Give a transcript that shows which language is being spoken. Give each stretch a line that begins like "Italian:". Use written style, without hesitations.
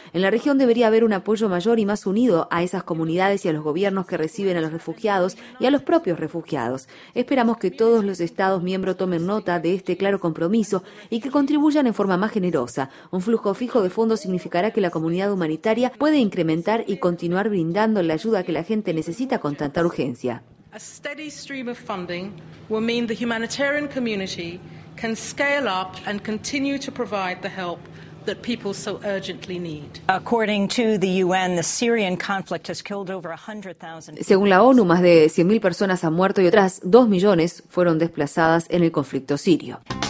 Spanish: En la región debería haber un apoyo mayor y más unido a esas comunidades y a los gobiernos que reciben a los refugiados y a los propios refugiados. Esperamos que todos los Estados miembros tomen nota de este claro compromiso y que contribuyan en forma más generosa. Un flujo fijo de fondos significará que la comunidad humanitaria puede incrementar y continuar brindando la ayuda que la gente necesita con tanta urgencia.
English: A steady stream of funding will mean the humanitarian community can scale up and continue to provide the help that people so urgently need. According to the UN, the Syrian conflict has killed over 100,000.
Spanish: Según la ONU, más de 100.000 personas han muerto y otras 2 millones fueron desplazadas en el conflicto sirio.